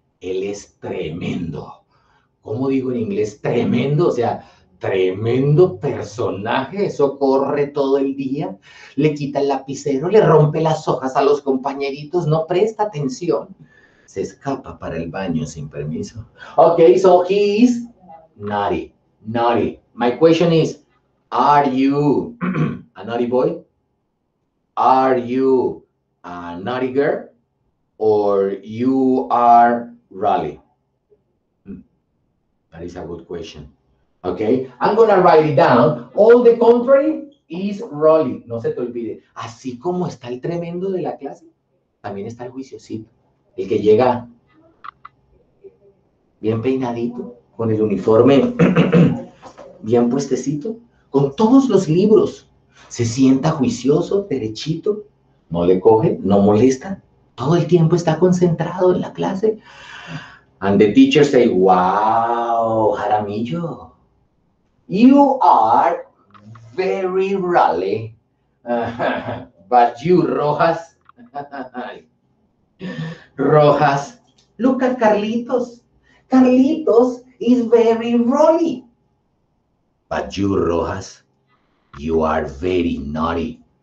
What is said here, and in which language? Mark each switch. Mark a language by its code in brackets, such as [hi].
[es] Él es tremendo. ¿Cómo digo en inglés tremendo? O sea, tremendo personaje, eso corre todo el día, le quita el lapicero, le rompe las hojas a los compañeritos, no presta atención, se escapa para el baño sin permiso. [en] Ok, so he is naughty, naughty. My question is, are you a naughty boy? Are you a naughty girl? Or you are Raleigh? That is a good question. Okay, I'm gonna write it down. All the contrary is Rolly. [es] No se te olvide. Así como está el tremendo de la clase, también está el juiciosito. El que llega bien peinadito, con el uniforme bien puestecito, con todos los libros. Se sienta juicioso, derechito. No le coge, no molesta. Todo el tiempo está concentrado en la clase. [en] And the teacher say, wow, Jaramillo. You are very rally, but you, Rojas, Rojas, look at Carlitos. Carlitos is very rally, but you, Rojas, you are very naughty.